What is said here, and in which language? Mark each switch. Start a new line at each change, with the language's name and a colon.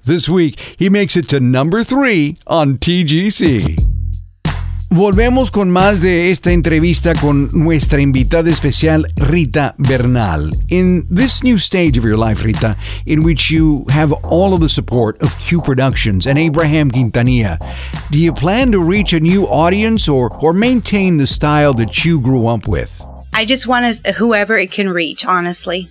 English: This week, he makes it to number three on TGC.
Spanish: Volvemos con más de esta entrevista con nuestra invitada especial, Rita Bernal.
English: In this new stage of your life, Rita, in which you have all of the support of Q Productions and Abraham Quintanilla, do you plan to reach a new audience or maintain the style that you grew up with? I just want whoever it can reach, honestly.